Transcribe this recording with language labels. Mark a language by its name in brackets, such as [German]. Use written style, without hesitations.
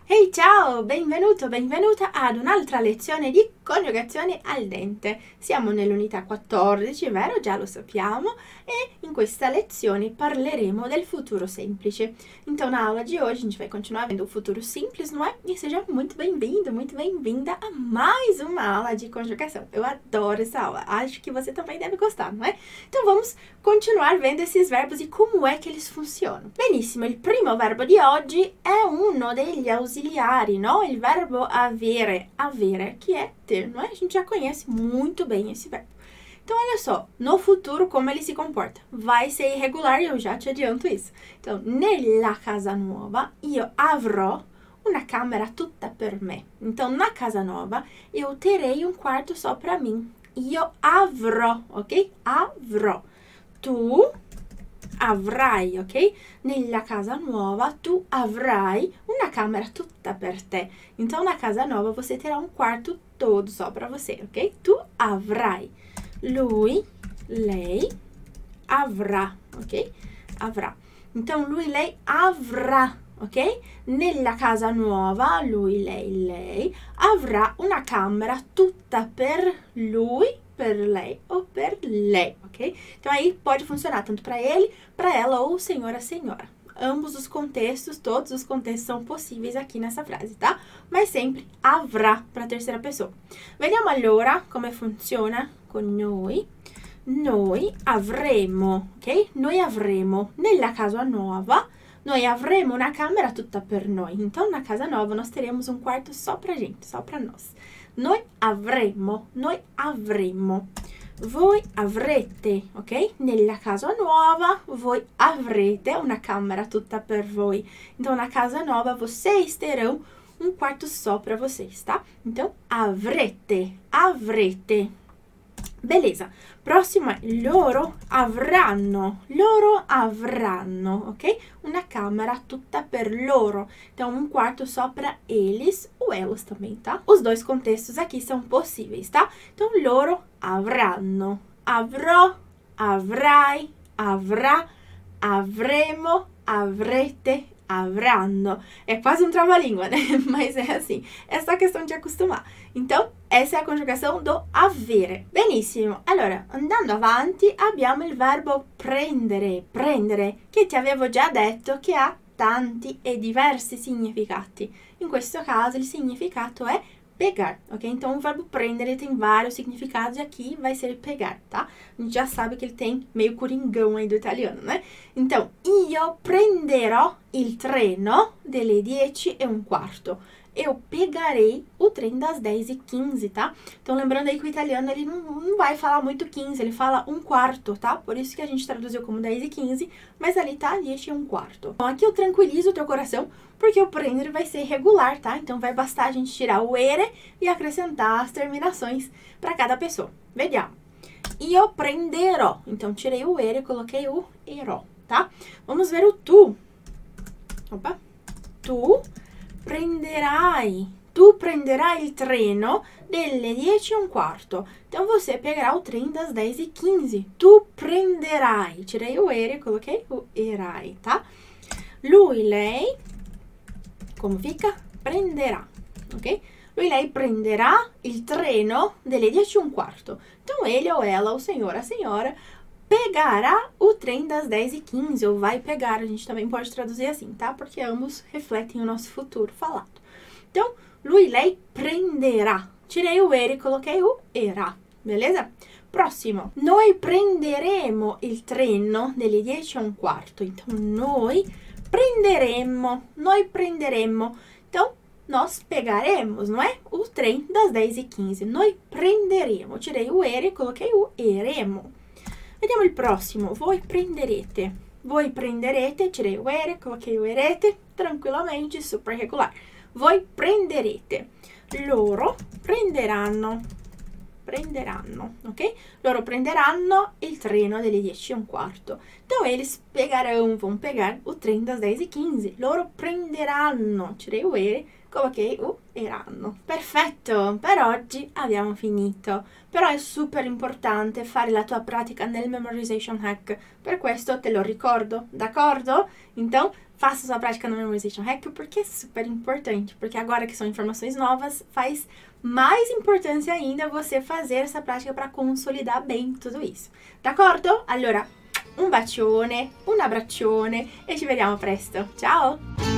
[Italian] Ciao, benvenuto, benvenuta ad un'altra lezione di coniugazione al dente. Siamo nell'unità 14, vero? Già lo sappiamo. E in questa lezione parleremo del futuro semplice. [Portuguese] Então, na aula de hoje, a gente vai continuar vendo o futuro simples, não é? E seja muito bem-vinda a mais uma aula de conjugação. Eu adoro essa aula, acho que você também deve gostar, não é? Então, vamos continuar vendo esses verbos e como é que eles funcionam. [Italian] Benissimo, il primo verbo di oggi è uno degli ausiliari, no? Il verbo avere, avere, che è [Portuguese] ter, não é? A gente já conhece muito bem esse verbo. Então, olha só, no futuro, como ele se comporta? Vai ser irregular, eu já te adianto isso. [Italian] Então, nella casa nuova, io avrò una camera tutta per me. [Portuguese] Então, na casa nova, eu terei um quarto só para mim. [Italian] Io avrò, ok? Avrò. Tu avrai, ok? Nella casa nuova, tu avrai una camera tutta per te. [Portuguese] Então, na casa nova, você terá um quarto todo só para você, ok? [Italian] Tu avrai. Lui, lei, avrà, ok? Avrà. Então, lui, lei, avrà, ok? Nella casa nuova, lui, lei, avrà una camera tutta per lui, per lei o per lei, ok? [Portuguese] Então, aí pode funcionar tanto para ele, para ela ou senhora, senhora. Ambos os contextos, todos os contextos são possíveis aqui nessa frase, tá? Mas sempre avrà para a terceira pessoa. [Italian] Vediamo allora come funziona. Con noi avremo, ok? Noi avremo nella casa nuova, noi avremo una camera tutta per noi. [Portuguese] Então, na casa nova, nós teremos um quarto só pra gente, só pra nós. [Italian] Noi avremo, voi avrete, ok? Nella casa nuova, voi avrete una camera tutta per voi. [Portuguese] Então, na casa nova, vocês terão um quarto só pra vocês, tá? [Italian] Então, avrete, avrete. Beleza, prossimo è loro avranno, ok? Una camera tutta per loro, [Portuguese] então um quarto só para eles ou elas também, tá? Os dois contextos aqui são possíveis, tá? [Italian] Então loro avranno, avrò, avrai, avrà, avremo, avrete. Avranno. [Portuguese] É quase um trava-língua, né? Mas é assim. É só questão de acostumar. Então, essa é a conjugação do avere. [Italian] Benissimo. Allora, andando avanti, abbiamo il verbo prendere. Prendere, che ti avevo già detto che ha tanti e diversi significati. In questo caso, il significato è pegar, ok? [Portuguese] Então, o verbo prendere tem vários significados e aqui vai ser pegar, tá? A gente já sabe que ele tem meio coringão aí do italiano, né? [Italian] Então, io prenderò il treno delle 10 e un quarto. [Portuguese] Eu pegarei o trem das 10 e 15, tá? Então, lembrando aí que o italiano, ele não vai falar muito 15, ele fala um quarto, tá? Por isso que a gente traduziu como 10 e 15, mas ali tá 10 e um quarto. Então, aqui eu tranquilizo o teu coração, porque o prendere vai ser irregular, tá? Então, vai bastar a gente tirar o ere e acrescentar as terminações para cada pessoa. Vediamo. [Italian] Io prenderò. [Portuguese] Então, tirei o ere e coloquei o erò, tá? Vamos ver o tu. Opa. [Italian] Tu prenderai. Tu prenderai il treno delle 10 e un quarto. [Portuguese] Então, você pegará o trem das 10 e 15. [Italian] Tu prenderai. [Portuguese] Tirei o ere e coloquei o erai, tá? [Italian] Lui, lei. Come fica? Prenderà, ok? Lui, lei prenderà il treno delle 10 e un quarto. [Portuguese] Então, ele ou ela, ou senhora, senhora, pegará o trem das 10 e 15, ou vai pegar, a gente também pode traduzir assim, tá? Porque ambos refletem o nosso futuro falado. Então, [Italian] lui, lei prenderà. [Portuguese] Tirei o ere e coloquei o erà, beleza? [Italian] Prossimo. Noi prenderemo il treno delle 10 e un quarto. Então, noi prenderemo, noi prenderemo. [Portuguese] Então, nós pegaremos, não é? O trem das 10 e 15. [Italian] Noi prenderemo. [Portuguese] Tirei o ere e coloquei o eremo. [Italian] Vediamo il prossimo. Voi prenderete. [Portuguese] Tirei o ere, coloquei o erete. Tranquilamente, super regular. [Italian] Voi prenderete. Loro prenderanno. Prenderanno, ok? Loro prenderanno il treno delle 10 e un quarto. [Portuguese] Então, eles pegarão, vão pegar o trem das 10 e 15. [Italian] Loro prenderanno, [Portuguese] tirei o ere, [Italian] Ok, iranno. Perfetto, per oggi abbiamo finito. Però è super importante fare la tua pratica nel memorization hack. Per questo te lo ricordo, d'accordo? [Portuguese] Então, faça sua pratica no memorization hack porque é super importante. Porque agora que são informações novas, faz mais importância ainda você fazer essa prática para consolidar bem tudo isso. [Italian] D'accordo? Allora, un bacione, un abbraccione e ci vediamo presto. Ciao!